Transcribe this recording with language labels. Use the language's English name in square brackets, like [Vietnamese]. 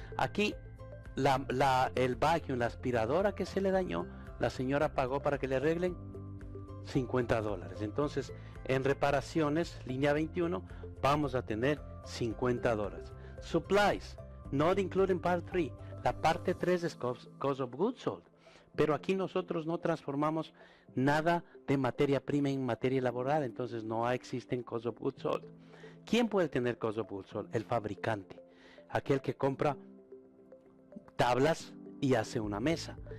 [Spanish] Aquí el vacuum, la aspiradora que se le dañó, la señora pagó para que le arreglen $50. Entonces, en reparaciones, línea 21, vamos a tener $50. [English] Supplies, not including part 3. [Spanish] La parte 3 es cost of goods sold. Pero aquí nosotros no transformamos nada de materia prima en materia elaborada. Entonces, no existen cost of goods sold. ¿Quién puede tener cost of goods sold? El fabricante. Aquel que compra tablas y hace una mesa.